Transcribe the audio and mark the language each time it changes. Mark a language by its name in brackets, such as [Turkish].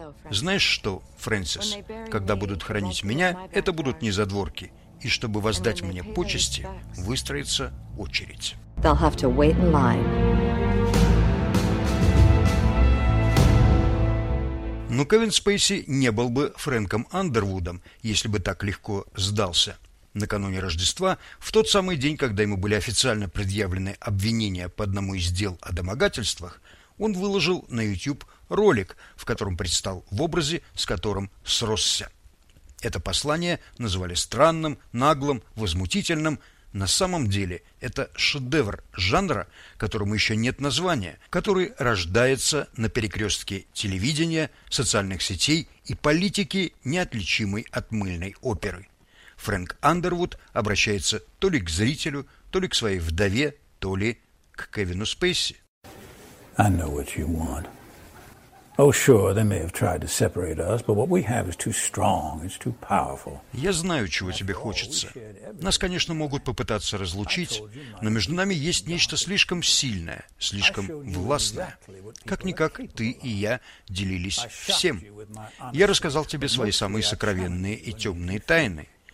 [Russian] Знаешь что, Фрэнсис, когда будут хранить меня, это будут не задворки, и чтобы воздать мне почести, выстроится очередь. [English] They'll have to wait in line. [Russian] Но Кевин Спейси не был бы Фрэнком Андервудом, если бы так легко сдался. Накануне Рождества, в тот самый день, когда ему были официально предъявлены обвинения по одному из дел о домогательствах, он выложил на YouTube ролик, в котором предстал в образе, с которым сросся. Это послание называли странным, наглым, возмутительным. На самом деле это шедевр жанра, которому еще нет названия, который рождается на перекрестке телевидения, социальных сетей и политики, неотличимой от мыльной оперы. Фрэнк Андервуд обращается то ли к зрителю, то ли к своей вдове, то ли к Кевину Спейси. [English] I know what you want. Oh, sure, they may have tried to separate us, but what we have is too strong, it's too powerful. [Russian] Я знаю, чего тебе хочется. Нас, конечно, могут попытаться разлучить, но между нами есть нечто слишком сильное, слишком властное. Как-никак, ты и я делились всем. Я рассказал тебе свои самые сокровенные и темные тайны.